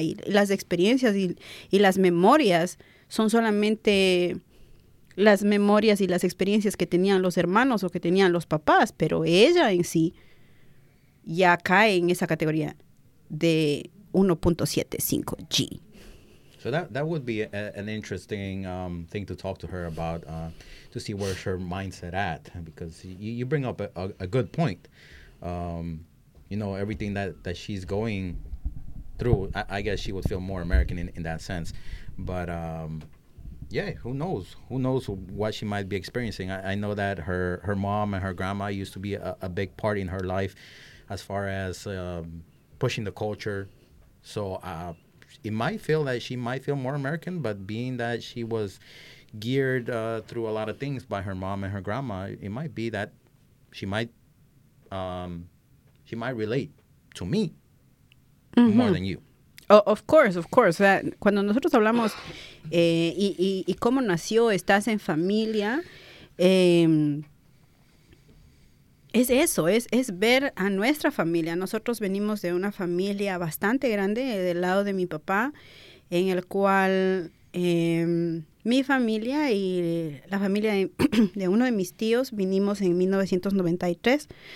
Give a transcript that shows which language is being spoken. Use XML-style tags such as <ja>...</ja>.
<es>Y las experiencias y las memorias son solamente las memorias y las experiencias que tenían los hermanos o que tenían los papás, pero ella en sí ya cae en esa categoría de 1.75G.</es> <en>So that would be an interesting thing to talk to her about, to see where's her mindset at, because you bring up a good point. You know, everything that she's going through, I guess she would feel more American in that sense. But yeah, who knows? Who knows what she might be experiencing? I know that her mom and her grandma used to be a big part in her life as far as pushing the culture. So it might feel that she might feel more American, but being that she was geared through a lot of things by her mom and her grandma, it might be that she might relate to me mm-hmm. more than you. Oh, of course.</en> <es>O sea, cuando nosotros hablamos y cómo nació, estás en familia, es eso, es ver a nuestra familia. Nosotros venimos de una familia bastante grande, del lado de mi papá, en el cual mi familia y la familia de uno de mis tíos vinimos en 1993.</es>